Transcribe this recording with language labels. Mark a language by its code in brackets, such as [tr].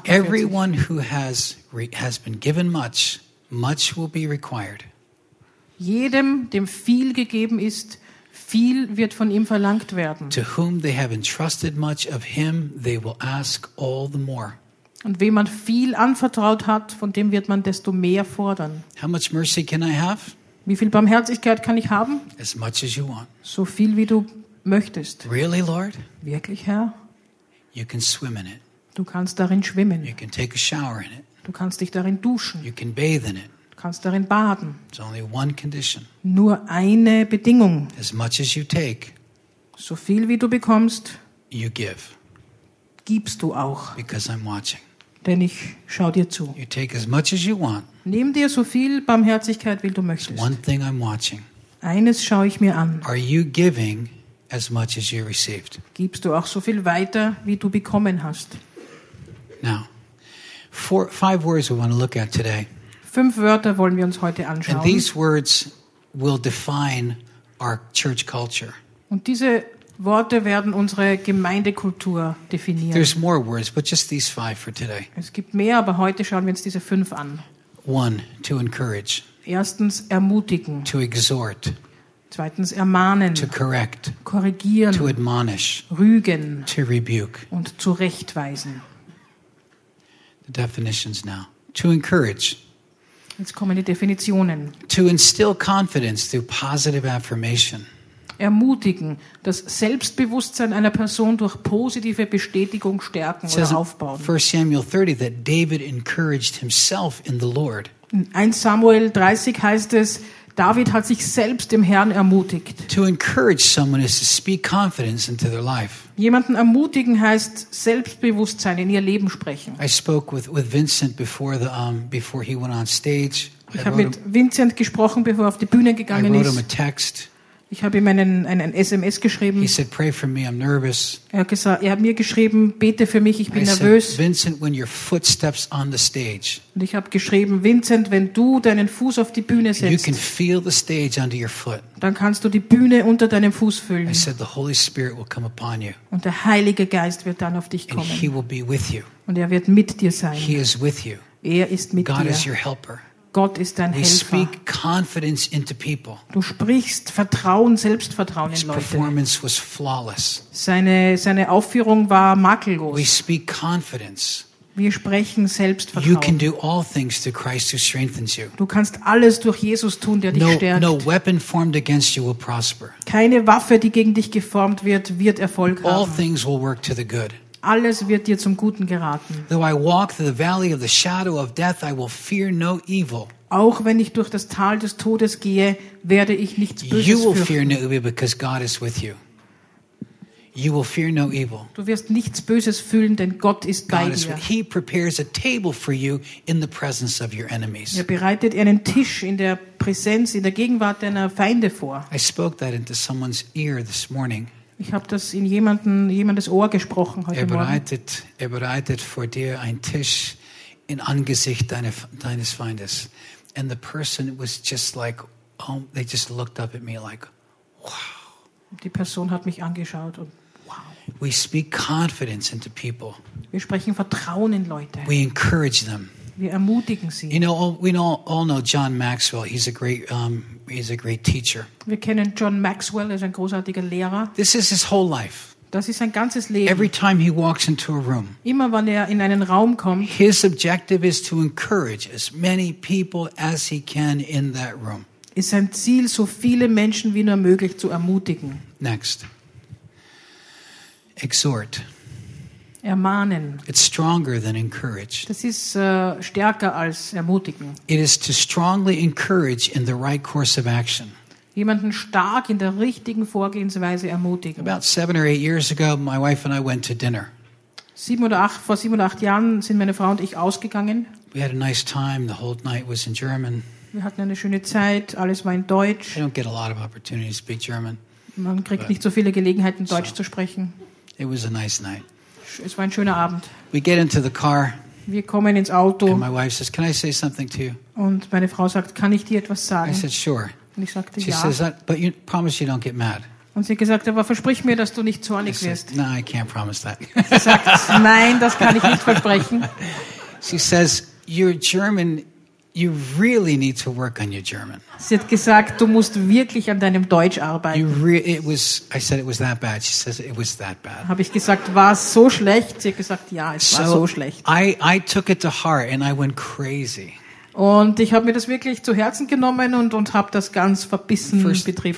[en] everyone who has been given much, much will be required. [de] Jedem, dem viel gegeben ist, viel wird von ihm verlangt werden. [en] To whom they have entrusted much of him, they will ask all the more. [de] Und wem man viel anvertraut hat, von dem wird man desto mehr fordern. [en] How much mercy can I have? [de] Wie viel Barmherzigkeit kann ich haben? [en] As much as you want. [de] So viel wie du möchtest. [en] Really, Lord? [de] Wirklich, Herr? [en] You can swim in it. [de] Du kannst darin schwimmen. [en] You can take a shower in it. [de] Du kannst dich darin duschen. [en] You can bathe in it. [de] Du kannst darin baden. [en] It's only one condition. [de] Nur eine Bedingung. [en] As much as you take, [de] so viel wie du bekommst, [en] you give. [de] Gibst du auch. [en] Because I'm watching. [de] denn ich schaue dir zu. [en] You take as much as you want. [de] Nimm dir so viel Barmherzigkeit, wie du möchtest. [en] One thing I'm watching. [de] Eines schaue ich mir an. [en] Are you giving as much as you received? [de] Gibst du auch so viel weiter, wie du bekommen hast? [en] Now, five words we want to look at today. [de] Fünf Wörter wollen wir uns heute anschauen. [en] And these words will define our church culture. [de] Und diese Worte werden unsere Gemeindekultur definieren. [en] There's more words, but just these five for today. [de] Es gibt mehr, aber heute schauen wir uns diese fünf an. [en] One, to encourage. [de] Erstens ermutigen. [en] To exhort. [de] Zweitens ermahnen. [en] To correct. [de] Korrigieren. [en] To admonish. [de] Rügen. [en] To rebuke. [de] Und zurechtweisen. [en] The definitions now. To encourage. [de] Jetzt kommen die Definitionen. [en] To instill confidence through positive affirmation. [de] Ermutigen, das Selbstbewusstsein einer Person durch positive Bestätigung stärken oder aufbauen. [en] 1 Samuel 30 that David encouraged himself in the Lord. [de] In 1 Samuel 30 heißt es, David hat sich selbst im Herrn ermutigt. [en] To encourage someone is to speak confidence into their life. [de] Jemanden ermutigen heißt Selbstbewusstsein in ihr Leben sprechen. [en] I spoke with Vincent before he went on stage. [de] Ich habe mit Vincent gesprochen, bevor er auf die Bühne gegangen ist. [en] I wrote him a text. [de] Ich habe ihm einen SMS geschrieben. [en] He said, "Pray for me, I'm nervous." [de] Er hat mir geschrieben, bete für mich, ich bin nervös. [en] Said, "Vincent, when your foot steps on the stage." [de] Und ich habe geschrieben, Vincent, wenn du deinen Fuß auf die Bühne setzt, [en] you can feel the stage under your foot. [de] Dann kannst du die Bühne unter deinem Fuß fühlen. [en] I said, "The Holy Spirit will come upon you." [de] Und der Heilige Geist wird dann auf dich kommen. [en] And he will be with you. [de] Und er wird mit dir sein. [en] He is with you. [de] Er ist mit [en] God [de] dir. [en] Is your helper. [de] Gott ist dein Helfer. [en] We speak confidence into people. [de] Du sprichst Vertrauen, Selbstvertrauen in Leute. [en] His performance was flawless. [de] Seine Aufführung war makellos. [en] We speak confidence. [de] Wir sprechen Selbstvertrauen. [en] You can do all things through Christ who strengthens you. [de] Du kannst alles durch Jesus tun, der dich stärkt. [en] No weapon formed against you will prosper. [de] Keine Waffe, die gegen dich geformt wird, wird Erfolg haben. [en] All things will work to the good. [de] Alles wird dir zum Guten geraten. [en] Though I walk through the valley of the shadow of death, I will fear no evil. [de] Auch wenn ich durch das Tal des Todes gehe, werde ich nichts Böses fürchten. [en] You will fear no evil because God is with you. You will fear no evil. [de] Du wirst nichts Böses fühlen, denn Gott ist bei dir. [en] He prepares a table for you in the presence of your enemies. [de] Er bereitet einen Tisch in der Präsenz, in der Gegenwart deiner Feinde vor. [en] I spoke that into someone's ear this morning. [de] Ich habe das in jemandes Ohr gesprochen heute Morgen. Er bereitet vor dir einen Tisch in Angesicht deines Feindes. [en] And the person was just like, oh, they just looked up at me like, wow. [de] Die Person hat mich angeschaut und wow. [en] We speak confidence into people. [de] Wir sprechen Vertrauen in Leute. [en] We encourage them. [de] Wir ermutigen sie. [en] You know, we all know John Maxwell. He's a great teacher. [de] Wir kennen John Maxwell, er ist ein großartiger Lehrer. [en] This is his whole life. [de] Das ist sein ganzes Leben. [en] Every time he walks into a room. [de] Immer wenn er in einen Raum kommt. [en] His objective is to encourage as many people as he can in that room. [de] Ist sein Ziel, so viele Menschen wie nur möglich zu ermutigen. [en] Next. Exhort. [de] Ermahnen. [en] It's stronger than encourage. [de] Das ist stärker als ermutigen. [en] It is to strongly encourage in the right course of action. [de] Jemanden stark in der richtigen Vorgehensweise ermutigen. [en] About 7 or 8 years ago, my wife and I went to dinner. [de] Vor 7 oder 8 Jahren sind meine Frau und ich ausgegangen. [en] We had a nice time. The whole night was in German. [de] Wir hatten eine schöne Zeit. Alles war in Deutsch. [en] I don't get a lot of opportunities to speak German. [de] Man kriegt nicht so viele Gelegenheiten, Deutsch zu sprechen. [en] It was a nice night. [de] Es war ein schöner Abend. [en] We get into the car. [de] Wir kommen ins Auto. [en] And my wife says, "Can I say something to you?" [de] Und meine Frau sagt, kann ich dir etwas sagen? [en] I said, "Sure." [de] Und ich sagte, [en] she [de] ja. [en] Says, "But you promise you don't get mad." [de] Und sie gesagt, aber versprich mir, dass du nicht zornig wirst. [en] No, I can't promise that. [de] Sie sagt, nein, das kann ich nicht versprechen. [en] She says, "You're German. You really need to work on your German." [de] Sie hat gesagt, du musst wirklich an deinem Deutsch arbeiten. [en] I said it was that bad. She says it was that bad. [de] Habe ich gesagt, war es so schlecht? Sie hat gesagt, ja, es war so schlecht. [en] I took it to heart and I went crazy. [de] Und ich habe mir das wirklich zu Herzen genommen und habe das ganz verbissen betrieben.